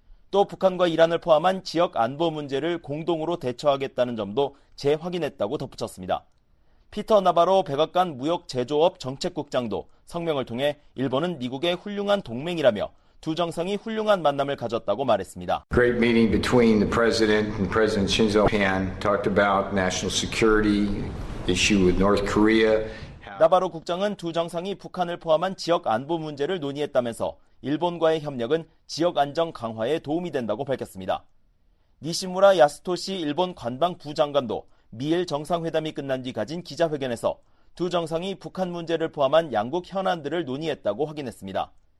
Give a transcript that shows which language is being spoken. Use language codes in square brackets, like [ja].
[ko] 또 북한과 이란을 포함한 지역 안보 문제를 공동으로 대처하겠다는 점도 재확인했다고 덧붙였습니다. 피터 나바로 백악관 무역제조업 정책국장도 성명을 통해 일본은 미국의 훌륭한 동맹이라며 두 정상이 훌륭한 만남을 가졌다고 말했습니다. [en] Great meeting between the president and President Shinzo Japan talked about national security issue with North Korea. [ko] 나바로 국장은 두 정상이 북한을 포함한 지역 안보 문제를 논의했다면서 일본과의 협력은 지역 안정 강화에 도움이 된다고 밝혔습니다. 니시무라 야스토시 일본 관방부장관도 미일 정상회담이 끝난 뒤 가진 기자회견에서 두 정상이 북한 문제를 포함한 양국 현안들을 논의했다고 확인했습니다.